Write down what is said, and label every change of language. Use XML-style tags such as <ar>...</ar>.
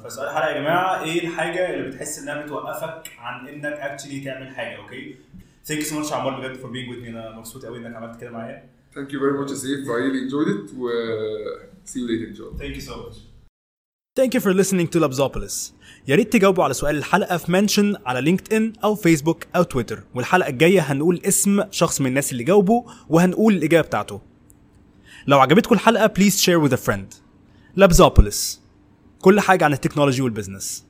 <ar>فسؤال الحلقة يا جماعة ايه الحاجة اللي بتحس انها بتوقفك عن انك actually تعمل حاجة.</ar> <en>Okay thank you so much عمور بجد for being with me.</en> <ar>انا مبسوط قوي انك عملت كده معايا.</ar> <en>thank you very much Asif. I really enjoyed it و see you later in job. thank you so much. thank you for listening to Labzopolis.</en> <ar>ياريت تجاوبوا على سؤال الحلقة في منشن على لينكدإن أو فيسبوك أو تويتر والحلقة الجاية هنقول اسم شخص من الناس اللي جاوبوا وهنقول الإجابة بتاعته. لو عجبتكم الحلقة</ar> <en>please share with a friend.</en> <ar>Labzopolis. كل حاجة عن التكنولوجي والبزنس.</ar>